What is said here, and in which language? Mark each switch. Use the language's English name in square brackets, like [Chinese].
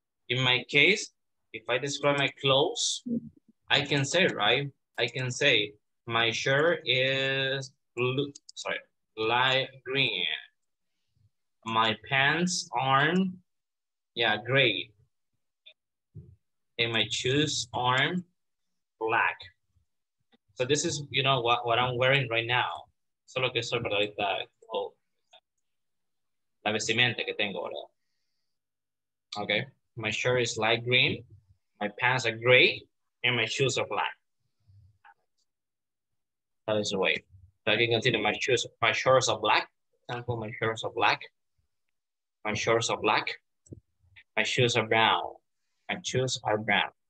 [English] In my case, if I describe my clothes, I can say, my shirt is light green. My pants are, gray. And my shoes are black. So this is, you know, what I'm wearing right now. [Spanish] Solo que soy para ahorita, la vestimenta que tengo ahora. [English] Okay, my shirt is light green. My pants are gray and my shoes are black. That is the way. So I can consider my shorts are black. My shoes are brown.